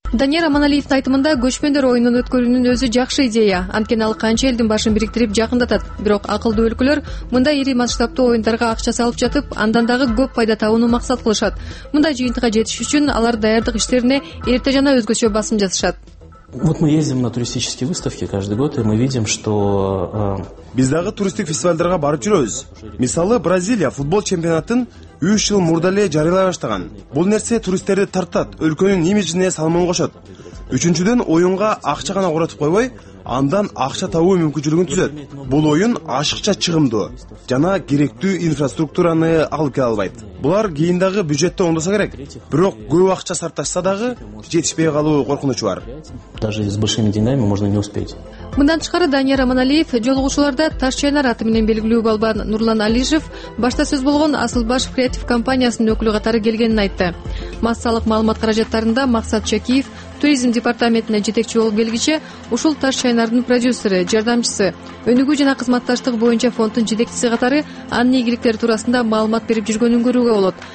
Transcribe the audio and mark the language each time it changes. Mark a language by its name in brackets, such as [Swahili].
[Kyrgyz] Данияр Аманалиевдин айтымында көчмөндөр оюнун өткөрүүнүн өзү жакшы идея, анткени ал канча элдин башын бириктирип жакындатат. Бирок акылдуу өлкөлөр мындай ири масштабтуу оюндарга акча салып жатып, андан дагы көп пайда табууну максат кылышат. Мындай жыйынтыкка жетиш үчүн алар даярдык иштерине эрте жана өзгөчө басым жасашат. [Russian] Вот мы ездим на туристические выставки каждый год, и мы видим, что [Kyrgyz] биз дагы туристтик фестивалдарга барып жүрөбүз. Мисалы, Бразилия футбол чемпионатын 3 жыл мурда эле жарыялай баштаган. Бул нерсе туристтерди тартат, өлкөнүн имижине салмак кошот. Үчүнчүдөн, оюнга акча гана коротуп койбой, андан акча табуу мүмкүнчүлүгүн түзөт. Бул оюн ашыкча чыгымдуу жана керектүү инфраструктураны алып келе албайт. Булар кийин дагы бюджетте оңдосо керек, бирок көп акча сарпташса дагы жетишпей калуу коркунучу бар. [Russian] Даже с большими деньгами можно не успеть. [Kyrgyz] Мындан тышкары Данияр Аманалиев жолугушууларда Таш Чайнар аты менен белгилүү балбан Нурлан Алижев башта сөз болгон Асылбаш креатив компаниясынын өкүлү катары келгенин айтты. Массалык маалымат каражаттарында Максат Чакиев туризм департаментине жетекчи болуп келгиче, ушул Таш Чайнардын продюсери, жардамчысы, өнүгүү жана кызматташтык боюнча фонддун жетекчиси катары анын ийгиликтери туурасында маалымат берип жүргөнүн көрүүгө болот.